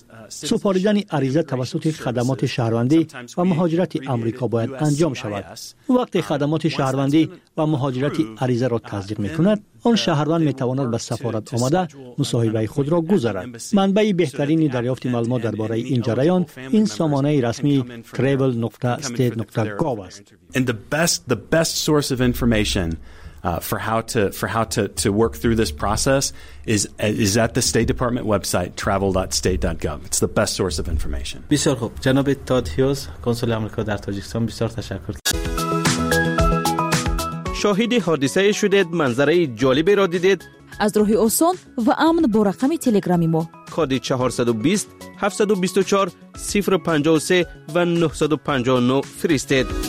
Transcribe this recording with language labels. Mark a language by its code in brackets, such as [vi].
[fa] سپاریدن عریضه توسط خدمات شهروندی و مهاجرت آمریکا باید انجام شود. وقتی خدمات شهروندی و مهاجرت عریضه را تصدیق می کند، آن شهروند می تواند به سفارت آمده مصاحبه خود را گذارد. منبع بهترین دریافت معلومات درباره این جریان این سامانه رسمی travel.state.gov است. [en] The best source of information for how to work through this process is at the State Department website travel.state.gov. It's the best source of information. [fa] بسیار خوب. جناب تاد هیوز، کنسول آمریکا در تاجیکستان، بسیار تشکر. شاهد حادثه شدید، منظره جالبی را دیدید؟ از راه آسان و امن با رقم تلگرامی ما کد 420-724-053 و 959 فرستید.